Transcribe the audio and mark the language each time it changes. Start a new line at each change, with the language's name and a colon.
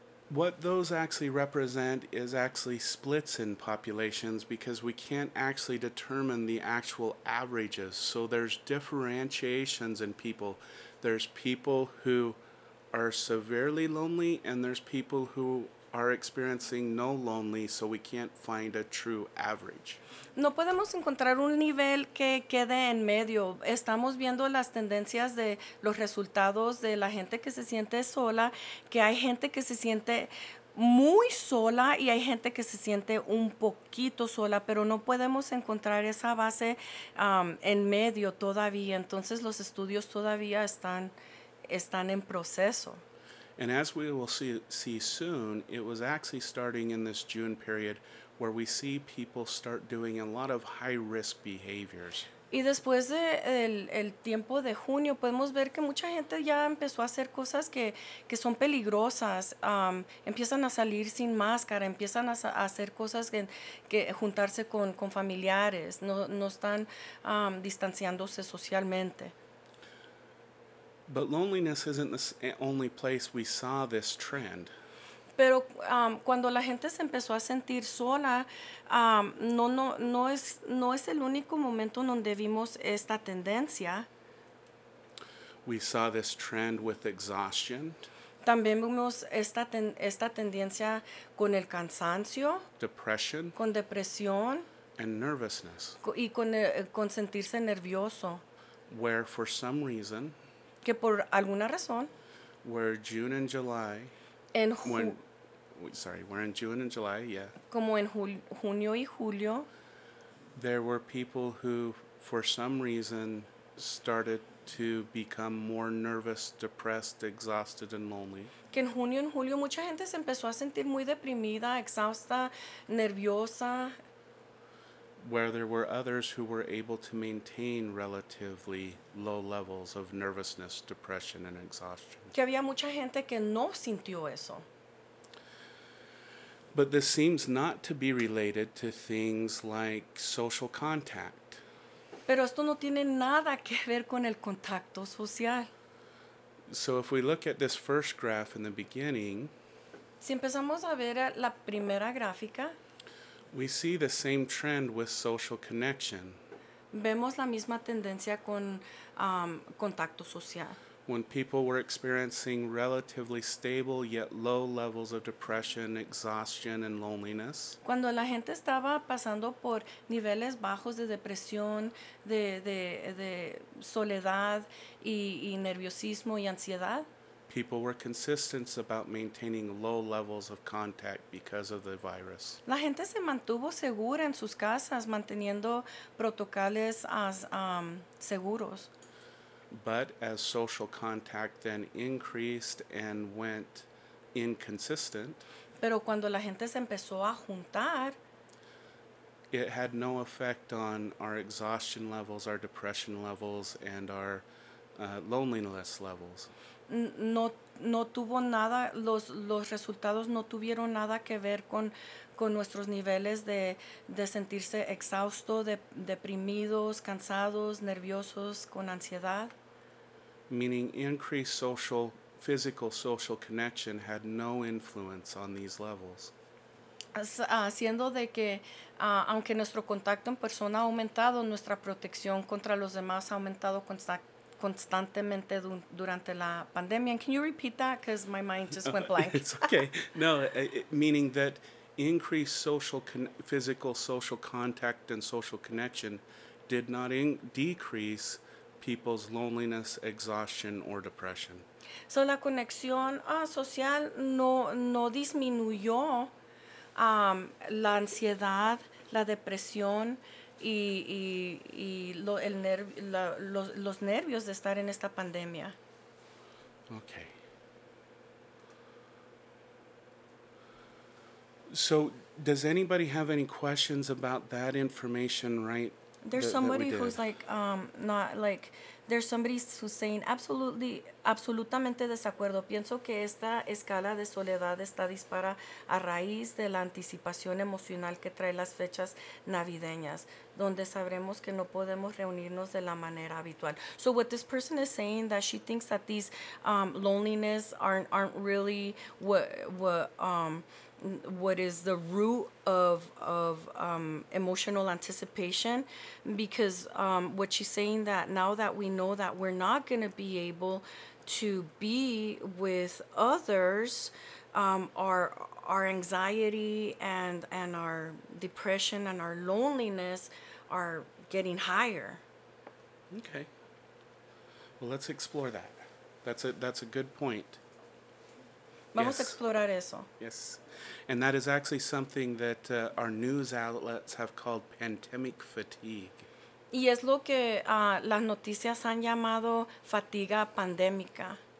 English: what those actually represent is actually splits in populations because we can't actually determine the actual averages. So there's differentiations in people. There's people who are severely lonely and there's people who are experiencing no lonely, so we can't find a true average.
Spanish: No podemos encontrar un nivel que quede en medio. Estamos viendo las tendencias de los resultados de la gente que se siente sola, que hay gente que se siente muy sola y hay gente que se siente un poquito sola, pero no podemos encontrar esa base en medio todavía. Entonces, los estudios todavía están en proceso.
English: And as we will see soon, it was actually starting in this June period where we see people start doing a lot of high-risk behaviors.
Spanish: Y después de el tiempo de junio, podemos ver que mucha gente ya empezó a hacer cosas que son peligrosas. Empiezan a salir sin máscara, empiezan a hacer cosas que juntarse con familiares. No están distanciándose socialmente.
English: But loneliness isn't the only place we saw this trend.
Spanish: Pero cuando la gente se empezó a sentir sola, no es el único momento donde vimos esta tendencia.
English: We saw this trend with exhaustion.
Spanish: También vimos esta tendencia con el cansancio.
English: Depression.
Spanish: Con depresión.
English: And nervousness.
Spanish: Y con sentirse nervioso.
English: Where for some reason.
Spanish: Que por alguna razón.
English: Where June and July. We're in June and July, yeah.
Spanish: Como en junio y julio.
English: There were people who, for some reason, started to become more nervous, depressed, exhausted, and lonely.
Spanish: Que en junio y en julio mucha gente se empezó a sentir muy deprimida, exhausta, nerviosa.
English: Where there were others who were able to maintain relatively low levels of nervousness, depression, and exhaustion.
Spanish: Que había mucha gente que no sintió eso.
English: But this seems not to be related to things like social contact.
Spanish: Pero esto no tiene nada que ver con el contacto social.
English: So if we look at this first graph in the beginning,
Spanish: si empezamos a ver la primera gráfica,
English: we see the same trend with social connection.
Spanish: Vemos la misma tendencia con contacto social.
English: When people were experiencing relatively stable yet low levels of depression, exhaustion, and loneliness.
Spanish: Cuando la gente estaba pasando por niveles bajos de depresión, de soledad y nerviosismo y ansiedad.
English: People were consistent about maintaining low levels of contact because of the virus.
Spanish: La gente se mantuvo segura en sus casas manteniendo protocolos seguros.
English: But as social contact then increased and went inconsistent,
Spanish: pero cuando la gente se empezó a juntar,
English: it had no effect on our exhaustion levels, our depression levels, and our loneliness levels.
Spanish: No tuvo nada, los resultados no tuvieron nada que ver con nuestros niveles de sentirse exhausto, deprimidos, cansados, nerviosos, con ansiedad.
English: Meaning increased social, physical social connection had no influence on these levels.
Spanish: Haciendo de que aunque nuestro contacto en persona ha aumentado, nuestra protección contra los demás ha aumentado constantemente durante la pandemia.
English: And can you repeat that? Because my mind just went blank. It's okay. No, meaning that increased social, physical social contact and social connection did not decrease people's loneliness, exhaustion, or depression.
Spanish: So la conexión social no disminuyó la ansiedad, la depresión, los nervios de estar en esta pandemia.
English: Okay. So, does anybody have any questions about that information, right? There's somebody who's saying absolutely,
Spanish: absolutamente desacuerdo. Pienso que esta escala de soledad está dispara a raíz de la anticipación emocional que trae las fechas navideñas, donde sabremos que no podemos reunirnos de la manera habitual.
English: So what this person is saying, that she thinks that these loneliness aren't really what is the root of emotional anticipation, because what she's saying, that now that we know that we're not going to be able to be with others, our anxiety and our depression and our loneliness are getting higher. Okay. Well, let's explore that. That's a good point.
Spanish: Vamos a explorar eso.
English: Yes. And that is actually something that our news outlets have called pandemic fatigue.
Spanish: Y es lo que las noticias han llamado fatiga pandémica.